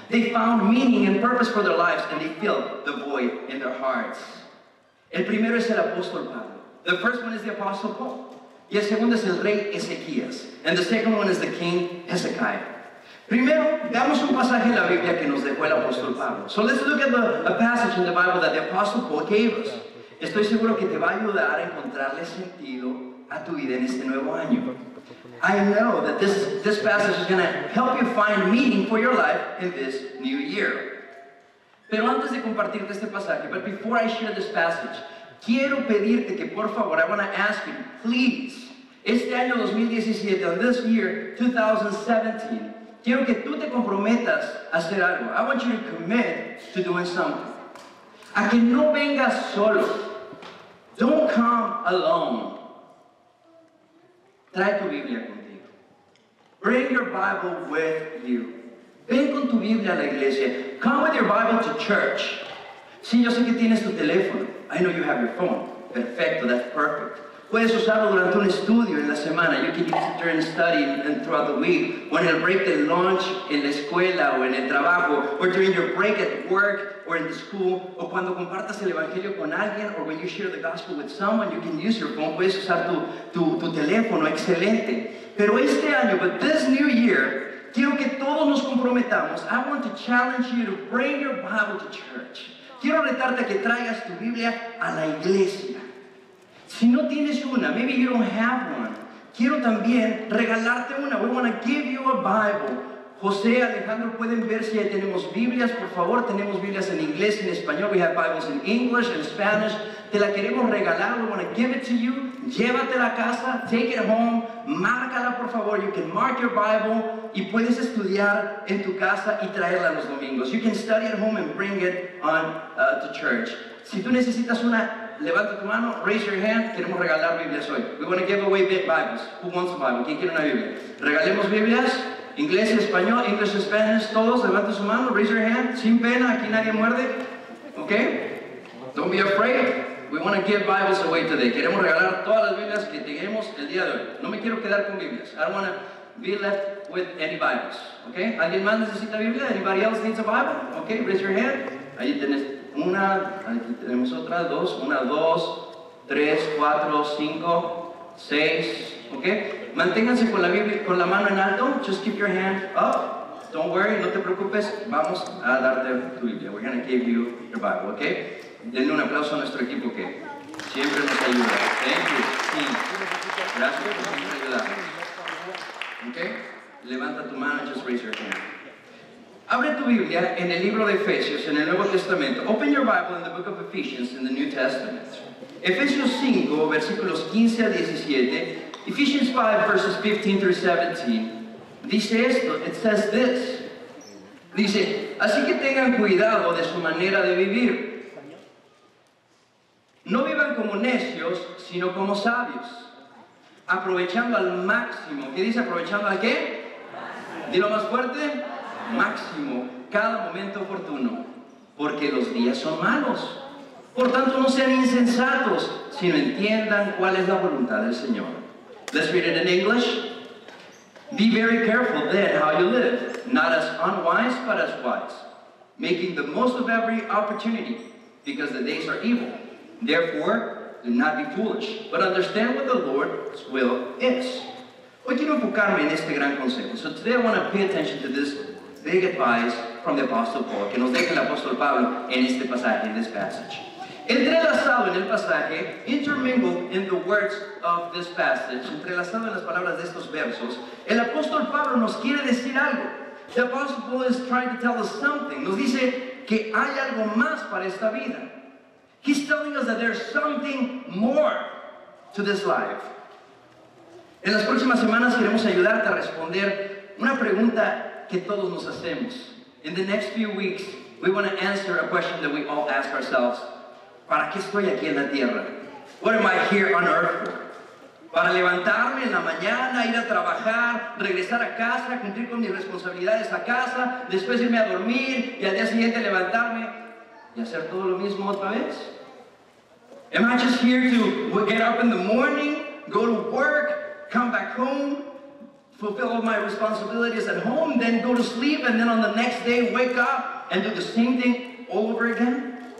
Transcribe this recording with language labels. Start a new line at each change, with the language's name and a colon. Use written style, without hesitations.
English: They found meaning and purpose for their lives and they filled the void in their hearts.
Spanish: El primero es el apóstol Pablo.
English: The first one is the Apostle Paul.
Spanish: Y el segundo es el rey Ezequías.
English: And the second one is the king Hezekiah.
Spanish: Primero, veamos un pasaje en la Biblia que nos dejó el apóstol Pablo.
English: So let's look at a passage in the Bible that the Apostle Paul gave us.
Spanish: Estoy seguro que te va a ayudar a encontrarle sentido a tu vida en este nuevo año.
English: I know that this passage is going to help you find meaning for your life in this new year.
Spanish: Pero antes de compartirte este pasaje,
English: but before I share this passage,
Spanish: quiero pedirte que por favor,
English: I want to ask you, please,
Spanish: este año 2017,
English: on this year, 2017,
Spanish: quiero que tú te comprometas a hacer algo.
English: I want you to commit to doing something.
Spanish: A que no vengas solo.
English: Don't come alone.
Spanish: Trae tu Biblia contigo.
English: Bring your Bible with you.
Spanish: Ven con tu Biblia a la iglesia.
English: Come with your Bible to church.
Spanish: Sí, yo sé que tienes tu teléfono.
English: I know you have your phone.
Spanish: Perfecto,
English: that's perfect.
Spanish: Puedes usarlo durante un estudio en la semana.
English: You can use it during study and throughout the week.
Spanish: O en el break de lunch en la escuela o en el trabajo.
English: Or during your break at work or in the school.
Spanish: O cuando compartas el evangelio con alguien.
English: Or when you share the gospel with someone, you can use your phone.
Spanish: Puedes usar tu teléfono. Excelente. Pero este año,
English: but this new year,
Spanish: quiero que todos nos comprometamos.
English: I want to challenge you to bring your Bible to church.
Spanish: Quiero retarte a que traigas tu Biblia a la iglesia. Si no tienes una,
English: maybe you don't have one,
Spanish: quiero también regalarte una.
English: We want to give you a Bible.
Spanish: José, Alejandro, pueden ver si ahí tenemos Biblias, por favor. Tenemos Biblias en inglés, en español.
English: We have Bibles in English, in Spanish.
Spanish: Te la queremos regalar.
English: We want to give it to you.
Spanish: Llévatela a casa.
English: Take it home.
Spanish: Márcala, por favor.
English: You can mark your Bible.
Spanish: Y puedes estudiar en tu casa y traerla los domingos.
English: You can study at home and bring it on to church.
Spanish: Si tú necesitas una, levanta tu mano,
English: raise your hand.
Spanish: Queremos regalar Biblias hoy.
English: We want to give away Bibles. Who wants a Bible?
Spanish: ¿Quién quiere una Biblia? Regalemos Biblias. Inglés y español,
English: English and Spanish,
Spanish: todos, levanta su mano,
English: raise your hand,
Spanish: sin pena, aquí nadie muerde, ok?
English: Don't be afraid, we want to give Bibles away today.
Spanish: Queremos regalar todas las Biblias que tenemos el día de hoy. No me quiero quedar con Biblias,
English: I don't want to be left with any Bibles, ok?
Spanish: ¿Alguien más necesita Biblia?
English: Anybody else needs a Bible? Ok, raise your hand.
Spanish: Ahí tenés una, aquí tenemos otra, dos, una, dos, tres, cuatro, cinco, seis, ok? Manténganse con la Biblia, con la mano en alto.
English: Just keep your hand up. Don't worry,
Spanish: no te preocupes. Vamos a darte tu Biblia.
English: We're going to give you your Bible, ¿ok?
Spanish: Denle un aplauso a nuestro equipo que siempre nos ayuda.
English: Thank you.
Spanish: Sí. Gracias por siempre ayudarnos. ¿Ok? Levanta tu mano,
English: just raise your hand.
Spanish: Abre tu Biblia en el libro de Efesios, en el Nuevo Testamento.
English: Open your Bible in the book of Ephesians in the New Testament.
Spanish: Efesios 5, versículos 15 a 17.
English: Ephesians 5, verses 15 through 17,
Spanish: dice esto,
English: it says this.
Spanish: Dice, así que tengan cuidado de su manera de vivir. No vivan como necios, sino como sabios. Aprovechando al máximo. ¿Qué dice aprovechando al qué? Máximo. Dilo más fuerte. Máximo. Cada momento oportuno. Porque los días son malos. Por tanto, no sean insensatos, sino entiendan cuál es la voluntad del Señor.
English: Let's read it in English. Be very careful then how you live, not as unwise but as wise, making the most of every opportunity, because the days are evil. Therefore, do not be foolish, but understand what the Lord's will is.
Spanish: Hoy quiero enfocarme en este gran consejo.
English: So today I want to pay attention to this big advice from the Apostle Paul,
Spanish: que nos deja el Apostle Pablo en este pasaje,
English: in this passage.
Spanish: Entrelazado en el pasaje,
English: intermingled in the words of this passage,
Spanish: entrelazado en las palabras de estos versos, el apóstol Pablo nos quiere decir algo.
English: The apostle Paul is trying to tell us something.
Spanish: Nos dice que hay algo más para esta vida.
English: He's telling us that there's something more to this life.
Spanish: En las próximas semanas queremos ayudarte a responder una pregunta que todos nos hacemos.
English: In the next few weeks, we want to answer a question that we all ask ourselves.
Spanish: ¿Para qué estoy aquí en la tierra?
English: What am I here on earth for?
Spanish: Para levantarme en la mañana, ir a trabajar, regresar a casa, cumplir con mis responsabilidades a casa, después irme a dormir y al día siguiente levantarme y hacer todo lo mismo otra vez.
English: Am I just here to get up in the morning, go to work, come back home, fulfill all my responsibilities at home, then go to sleep and then on the next day wake up and do the same thing all over again?